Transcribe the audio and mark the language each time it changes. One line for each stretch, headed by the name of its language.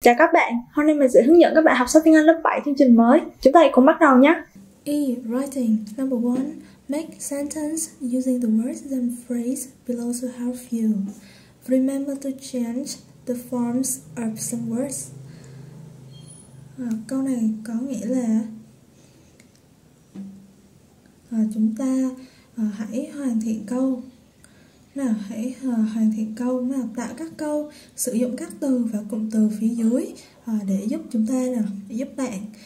Vietnamese: Chào các bạn, hôm nay mình sẽ hướng dẫn các bạn học sách tiếng Anh lớp 7 chương trình mới. Chúng ta hãy cùng bắt đầu nhé!
English: E. Writing. Number 1. Make sentence using the words and phrase below to help you. Remember to change the forms of some words.
Vietnamese: Câu này có nghĩa là chúng ta hãy hoàn thiện câu. Nào, hãy hoàn thiện câu, nào, tạo các câu, sử dụng các từ và cụm từ phía dưới để giúp chúng ta, nào, để giúp bạn.